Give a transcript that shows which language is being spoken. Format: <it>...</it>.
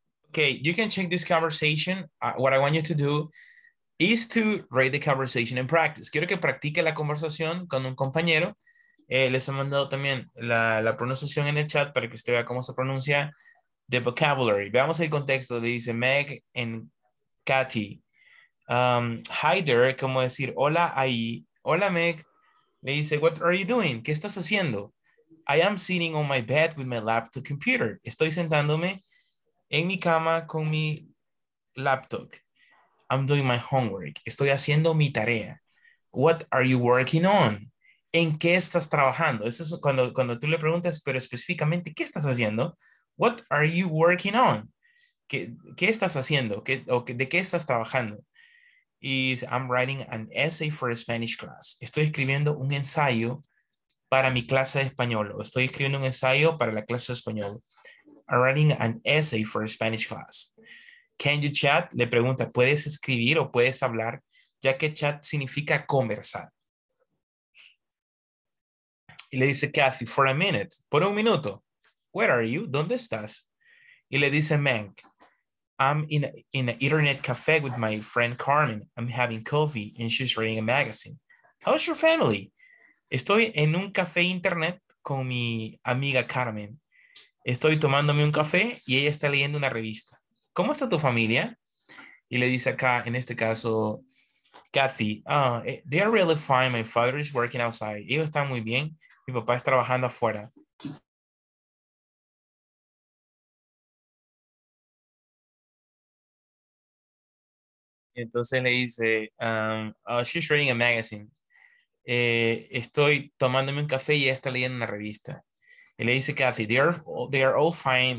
<en>Okay, you can check this conversation. What I want you to do is to write the conversation in practice.</en> <es>Quiero que practique la conversación con un compañero. Les he mandado también la pronunciación en el chat para que usted vea cómo se pronuncia</es> <en>the vocabulary.</en> <es>Veamos el contexto. Dice Meg and Kathy.</es> <en>Hi there,</en> <es>¿cómo decir hola ahí? Hola Meg, Le dice,</es> <en>what are you doing?</en> <es>¿Qué estás haciendo?</es> <en>I am sitting on my bed with my laptop computer.</en> <es>Estoy sentándome en mi cama con mi laptop.</es> <en>I'm doing my homework.</en> <es>Estoy haciendo mi tarea.</es> <en>What are you working on?</en> <es>¿En qué estás trabajando? Eso es cuando tú le preguntas, pero específicamente, ¿qué estás haciendo?</es> <en>What are you working on?</en> <es>¿Qué estás haciendo? ¿De qué estás trabajando?</es> <en>Is I'm writing an essay for a Spanish class.</en> <es>Estoy escribiendo un ensayo para mi clase de español. O estoy escribiendo un ensayo para la clase de español.</es> <en>I'm writing an essay for a Spanish class. Can you chat?</en> <es>Le pregunta, ¿puedes escribir o puedes hablar? Ya que chat significa conversar. Y le dice, Kathy,</es> <en>for a minute,</en> <es>por un minuto.</es> <en>Where are you?</en> <es>¿Dónde estás? Y le dice,</es> <en>Mank, I'm in an internet cafe with my friend Carmen. I'm having coffee and she's reading a magazine. How's your family?</en> <es>Estoy en un café internet con mi amiga Carmen. Estoy tomándome un café y ella está leyendo una revista. ¿Cómo está tu familia? Y le dice acá, en este caso, Kathy,</es> <en>they are really fine. My father is working outside.</en> <es>Ellos están muy bien. Mi papá está trabajando afuera. Entonces le dice,</es> <en>she's reading a magazine.</en> <es>Estoy tomándome un café y ella está leyendo una revista. Y le dice,</es> <en>Kathy, they are all fine.</en>